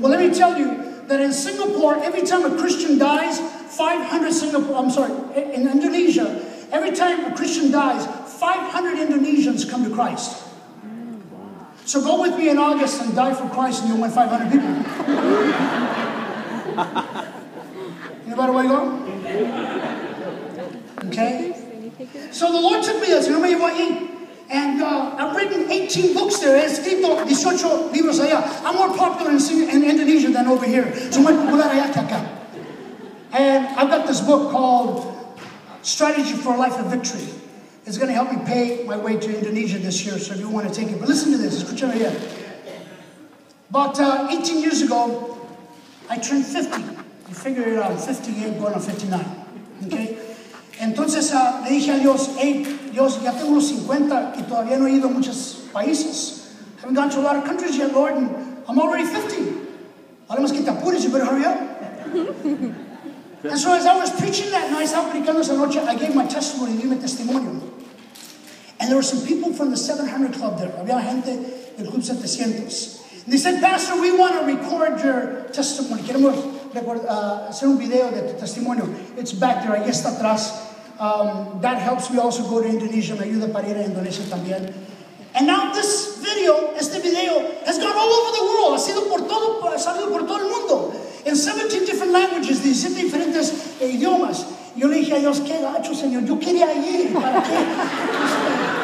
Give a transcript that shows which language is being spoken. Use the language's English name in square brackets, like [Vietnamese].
[English] Well, let me tell you, that in Singapore, every time a Christian dies, 500 Singapore, I'm sorry, in Indonesia, every time a Christian dies, 500 Indonesians come to Christ. So go with me in August and die for Christ and you'll win 500 people. Anybody want to go? Okay. So the Lord took me there, so nobody want to eat. And I've written 18 books there. [Spanish] He's escrito 18 libros allá. [English] I'm more popular in Indonesia than over here. [Spanish] So muy popular allá que acá. [English] And I've got this book called Strategy for a Life of Victory. It's going to help me pay my way to Indonesia this year. So if you want to take it. But listen to this. [Spanish] Escucha allá. [English] About 18 years ago, I turned 50. You figure it out. 58 going on 59. Okay? [Spanish] Entonces le dije a Dios, hey, Dios, ya tengo unos 50 y todavía no he ido a muchos países. [English] I haven't gone to a lot of countries yet, Lord, and I'm already 50. [Spanish] Ahora más que te apures, [English] you better hurry up. And so as I was preaching that night, [Spanish] estaba predicando esa noche, [English] I gave my testimony, [Spanish] di mi testimonio. [English] And there were some people from the 700 Club there. [Spanish] Había gente del Club 700. [English] And they said, Pastor, we want to record your testimony. [Spanish] Queremos hacer un video de tu testimonio. [English] It's back there, [Spanish] ahí está atrás. [English] That helps me also go to Indonesia. [Spanish] Me ayuda para ir a Indonesia también. [English] And now this video, [Spanish] este video, [English] has gone all over the world. [Spanish] Ha sido por todo, ha salido por todo el mundo. [English] In 17 different languages, [Spanish] 17 diferentes idiomas. Yo le dije a Dios, qué gacho, Señor. Yo quería ir. ¿Para qué?